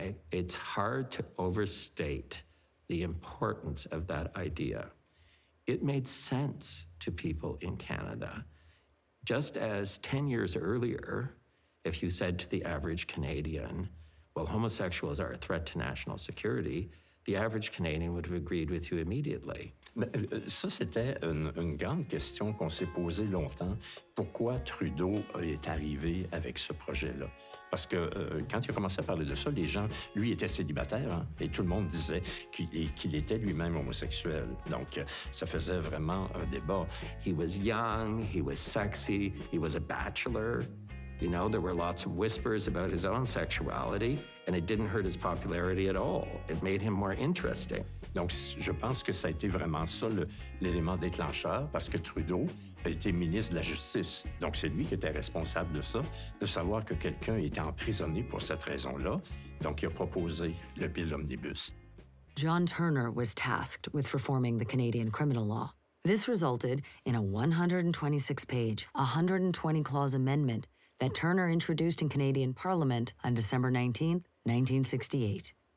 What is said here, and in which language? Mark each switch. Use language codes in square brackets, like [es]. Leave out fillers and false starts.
[en] It's hard to overstate the importance of that idea. It made sense to people in Canada. Just as 10 years earlier, if you said to the average Canadian, well, homosexuals are a threat to national security, the average Canadian would have agreed with you immediately. [fr] Mais ça, c'était une grande question qu'on s'est posée longtemps. Pourquoi Trudeau est arrivé avec ce projet-là? Parce que quand il a commencé à parler de ça, les gens, lui, était célibataire, hein, et tout le monde disait qu'il était lui-même homosexuel. Donc, ça faisait vraiment un débat. [en] He was young, he was sexy, he was a bachelor. You know, there were lots of whispers about his own sexuality, and it didn't hurt his popularity at all. It made him more interesting. [fr] Donc, je pense que ça a été vraiment ça, l'élément déclencheur, parce que Trudeau a été ministre de la Justice. Donc, c'est lui qui était responsable de ça, de savoir que quelqu'un était emprisonné pour cette raison-là. Donc, il a proposé le bill omnibus. [en] John Turner was tasked with reforming the Canadian criminal law. This resulted in a 126-page, 120-clause amendment that Turner introduced in Canadian Parliament on December 19, 1968.